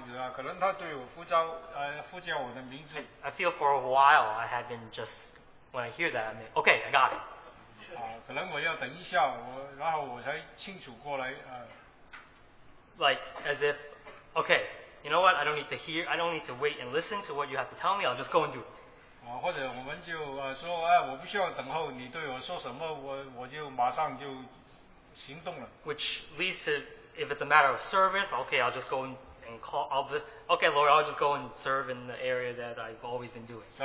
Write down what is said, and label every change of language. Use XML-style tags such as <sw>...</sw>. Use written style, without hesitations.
<zh>我想在我自己个人的经历的里面,神在我身上是这样子啊,可能他对我呼召,呼叫我的名字。</zh> <en>I feel for a while I have been just, when I hear that, I mean, okay, I got it.</en> <zh>可能我要等一下,然后我才清楚过来。</zh> <en>Like as if, okay, you know what? I don't need to hear. I don't need to wait and listen to what you have to tell me. I'll just go and do it.</en> <zh>或者我们就说，哎，我不需要等候你对我说什么，我就马上就行动了。</zh> <en>Which leads to, if it's a matter of service, okay, I'll just go and call. Lord, I'll just go and serve in the area that I've always been doing.</en>